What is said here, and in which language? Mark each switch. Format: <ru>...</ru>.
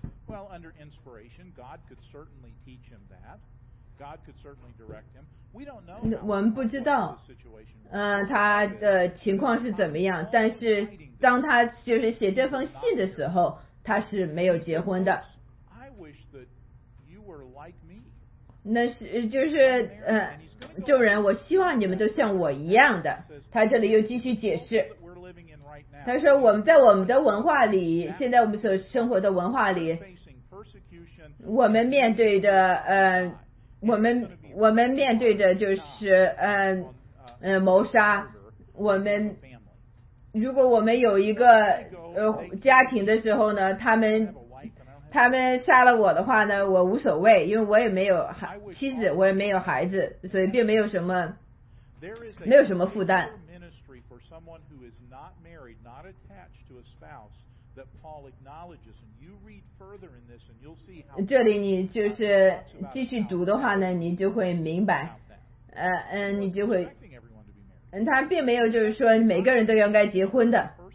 <en>Well, under inspiration, God could certainly teach him that. God could certainly direct him. We don't know.</en> <zh>我们不知道，他的情况是怎么样。但是当他就是写这封信的时候，他是没有结婚的。</zh> <en>I wish that you were like me.</en> <zh>那是就是众人，我希望你们都像我一样的。他这里又继续解释。他说我们在我们的文化里，现在我们所生活的文化里，我们面对着我们面对着就是谋杀。我们如果我们有一个家庭的时候呢，他们杀了我的话呢，我无所谓，因为我也没有妻子，我也没有孩子，所以并没有什么负担。</zh> <en>Someone who is not married, not attached to a spouse, that Paul acknowledges. And you read further in this, and you'll see how.</en> <zh>这里你就是继续读的话呢，你就会明白，你就会，他并没有就是说每个人都应该结婚的。</zh>